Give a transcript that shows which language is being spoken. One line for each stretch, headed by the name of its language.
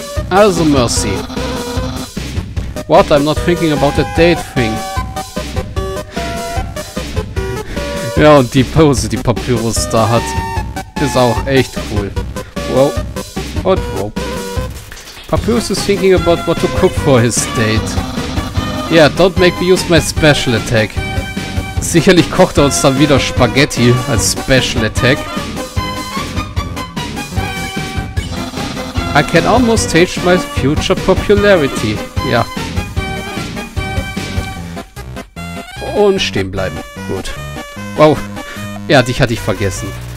English: Also, Mercy. What? I'm not thinking about that date thing.
German: Ja, und die Pose, die Papyrus da hat, ist auch echt cool. Wow. Und wow.
English: Papyrus is thinking about what to cook for his date. Yeah, don't make me use my special attack.
German: Sicherlich kocht er uns dann wieder Spaghetti als Special Attack.
English: I can almost taste my future popularity. Ja.
German: Und stehen bleiben. Gut. Wow. Ja, dich hatte ich vergessen.